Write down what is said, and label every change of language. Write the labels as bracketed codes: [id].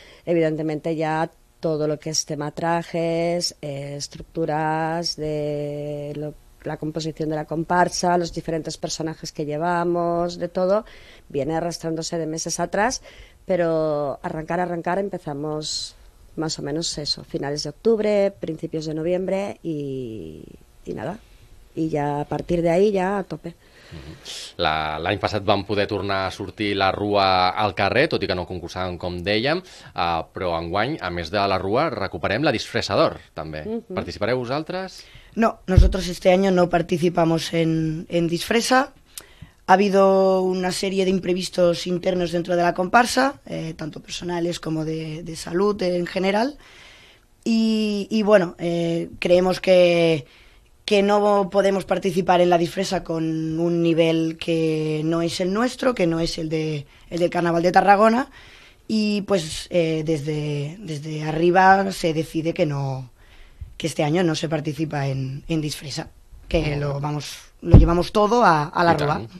[es] Evidentemente ya todo lo que es tema trajes, estructuras, la composición de la comparsa, los diferentes personajes que llevamos, de todo, viene arrastrándose de meses atrás, pero arrancar empezamos más o menos eso, finales de octubre, principios de noviembre y nada. Y ya a partir de ahí ya a tope. [ca] L'any passat vam poder tornar a sortir la rua al carrer, tot i que no concursàvem, com dèiem, però enguany, a més de la rua, recuperem la disfressa d'or, també. Participareu vosaltres? [es] No, nosotros este año no participamos en disfresa. Ha habido una serie de imprevistos internos dentro de la comparsa, tanto personales como de salud en general. Y bueno, creemos que no podemos participar en la disfresa con un nivel que no es el nuestro, que no es el del Carnaval de Tarragona, y pues desde arriba se decide que este año no se participa en disfresa, que lo llevamos todo a la rúa.